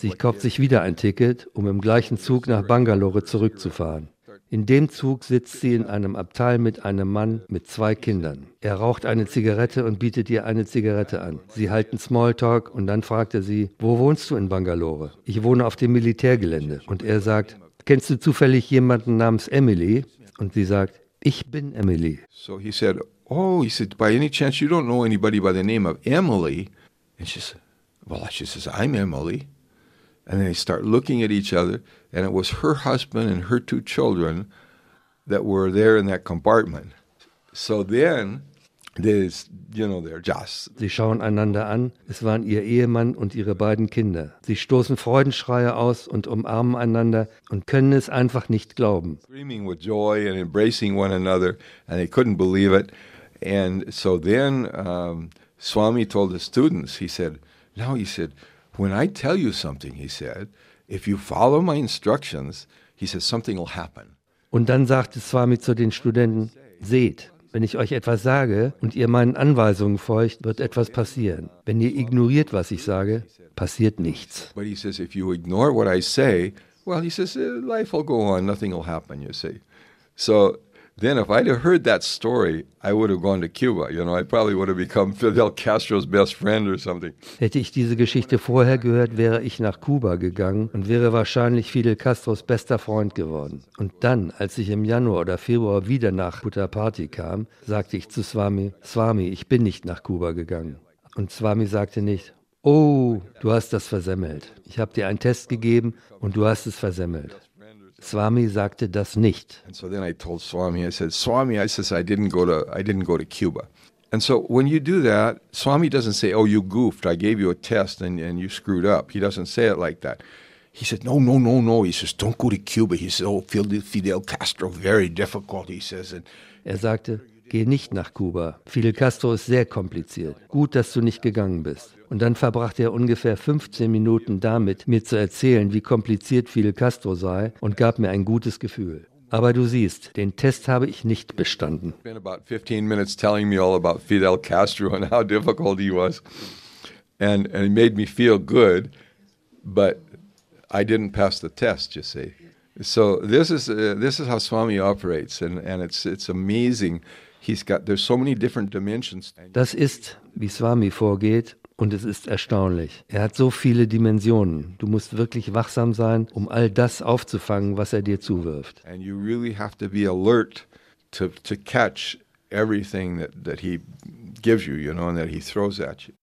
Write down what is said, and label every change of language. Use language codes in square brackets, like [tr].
[de] Sie kauft sich wieder ein Ticket, um im gleichen Zug nach Bangalore zurückzufahren. In dem Zug sitzt sie in einem Abteil mit einem Mann mit zwei Kindern. Er raucht eine Zigarette und bietet ihr eine Zigarette an. Sie halten Smalltalk und dann fragt er sie, wo wohnst du in Bangalore? Ich wohne auf dem Militärgelände. Und er sagt, kennst du zufällig jemanden namens Emily? Und sie sagt, ich bin Emily. [en] So he said, oh, he said, by any chance, you don't know anybody by the name of Emily? And she said, well, she says, I'm Emily. And then they start looking at each other, and it was her husband and her two children that were there in that compartment. So then, there's, you know, they're just. [de] Sie schauen einander an. Es waren ihr Ehemann und ihre beiden Kinder. Sie stoßen Freudenschreie aus und umarmen einander und können es einfach nicht glauben. [en] Screaming with joy and embracing one another, and they couldn't believe it. And so then Swami told the students, he said, now he said, when I tell you something, he said, if you follow my instructions, he said, something will happen. [de] Und dann sagte Swami zu den Studenten, seht, wenn ich euch etwas sage und ihr meinen Anweisungen folgt, wird etwas passieren. Wenn ihr ignoriert, was ich sage, passiert nichts. [en] But he says, if you ignore what I say, well, he says, life will go on, nothing will happen, you see. So then if I'd have heard that story, I would have gone to Cuba. You know, I probably would have become Fidel Castro's best friend or something. [de] Hätte ich diese Geschichte vorher gehört, wäre ich nach Kuba gegangen und wäre wahrscheinlich Fidel Castros bester Freund geworden. Und dann, als ich im Januar oder Februar wieder nach Puttaparthi kam, sagte ich zu Swami, Swami, ich bin nicht nach Kuba gegangen. Und Swami sagte nicht, oh, du hast das versemmelt. Ich habe dir einen Test gegeben und du hast es versemmelt. Swami sagte das nicht. [en] And so then I told Swami, I said, Swami, I says, I didn't go to Cuba. And so when you do that, Swami doesn't say, oh, you goofed, I gave you a test and you screwed up. He doesn't say it like that. He said, no. He says, don't go to Cuba. He says, oh, Fidel Castro, very difficult, he says. And [de] er sagte, geh nicht nach Kuba. Fidel Castro ist sehr kompliziert. Gut, dass du nicht gegangen bist. Und dann verbrachte er ungefähr 15 Minuten damit, mir zu erzählen, wie kompliziert Fidel Castro sei und gab mir ein gutes Gefühl. Aber du siehst, den Test habe ich nicht bestanden. [en] He spent about 15 minutes telling me all about Fidel Castro and how difficult he was. And it made me feel good, but I didn't pass the test, you see. So this is how Swami operates and it's amazing. He's got, there's so many different dimensions. [de] Das ist, wie Swami vorgeht. Und es ist erstaunlich. Er hat so viele Dimensionen. Du musst wirklich wachsam sein, um all das aufzufangen, was er dir zuwirft. [en] And you really have to be alert to catch everything that he gives you, you know, and that he throws at you.